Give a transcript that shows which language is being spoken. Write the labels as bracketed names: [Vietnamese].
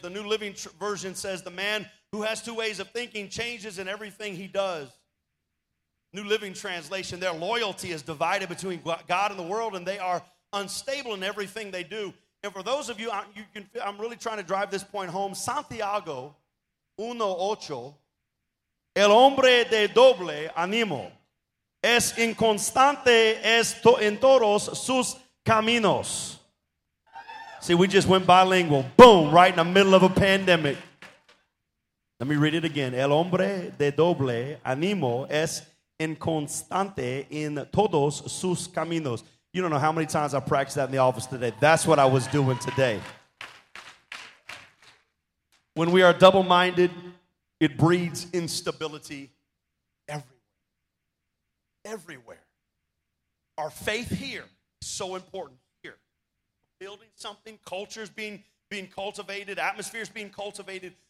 [English] The New Living Version says, the man who has two ways of thinking changes in everything he does. New Living Translation, their loyalty is divided between God and the world, and they are unstable in everything they do. And for those of you, I'm really trying to drive this point home. [Spanish] Santiago 1:8, el hombre de doble ánimo es inconstante en todos sus caminos. [English] See, we just went bilingual, boom, right in the middle of a pandemic. Let me read it again. [Spanish] El hombre de doble ánimo es inconstante en todos sus caminos. [English] You don't know how many times I practiced that in the office today. That's what I was doing today. When we are double-minded, it breeds instability everywhere. Everywhere. Our faith here is so important here. Building something, cultures being cultivated, atmospheres being cultivated.